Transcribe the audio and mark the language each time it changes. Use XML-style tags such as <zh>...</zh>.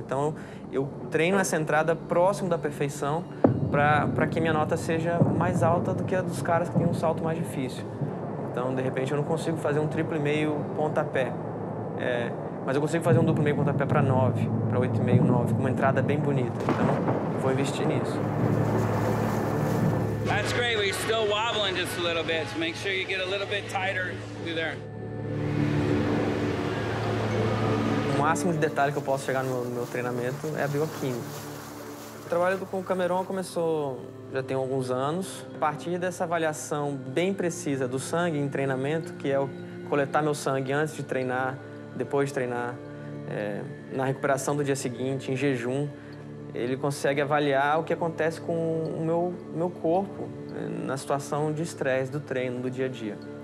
<pt>Então eu treino essa entrada próximo da perfeição para que minha nota seja mais alta do que a dos caras que têm um salto mais difícil. Então, de repente, eu não consigo fazer um triplo e meio pontapé, mas eu consigo fazer um duplo e meio pontapé para 9, para 8,5, 9, uma entrada bem bonita. Então, vou investir nisso.</pt> <en>That's great, but you're still wobbling just a little bit, so make sure you get a little bit tighter through there.</en> <pt>O máximo de detalhe que eu posso chegar no meu treinamento é a bioquímica. O trabalho com o Cameron começou já tem alguns anos. A partir dessa avaliação bem precisa do sangue em treinamento, que é o coletar meu sangue antes de treinar, depois de treinar, na recuperação do dia seguinte, em jejum, ele consegue avaliar o que acontece com o meu corpo na situação de estresse do treino, do dia a dia.</pt>